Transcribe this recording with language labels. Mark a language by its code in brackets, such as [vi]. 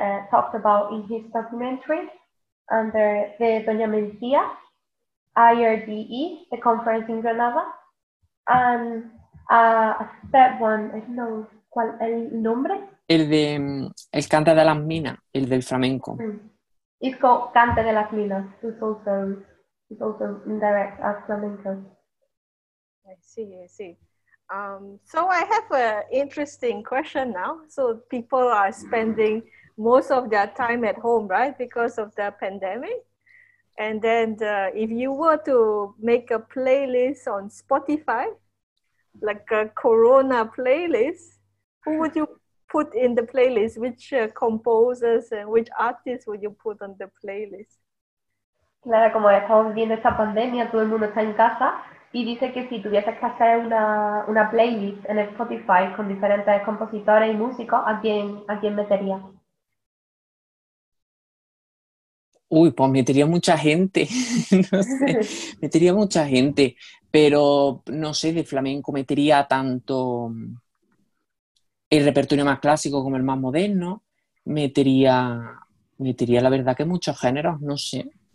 [en] talked about in his documentary, and they're the Doña Mencia, IRDE, the conference in Granada, and a third one, I don't know, [es] ¿cuál el nombre? El de El Cante de las Minas, el del flamenco. Mm. [en] It's called Cante de las Minas, it's also indirect as flamenco. I see. So I have an interesting question now. So people are spending most of their time at home, right, because of the pandemic. And then if you were to make a playlist on Spotify, like a Corona playlist, who would you put in the playlist? Which composers and which artists would you put on the playlist? [es] Claro, como estamos viviendo esta pandemia, todo el mundo está en casa y dice que si tuvieses que hacer una playlist en Spotify con diferentes compositores y músicos, ¿a quién meterías? Uy, pues metería mucha gente, no sé, metería mucha gente, pero no sé, de flamenco metería tanto el repertorio más clásico como el más moderno, metería la verdad que muchos géneros, no sé.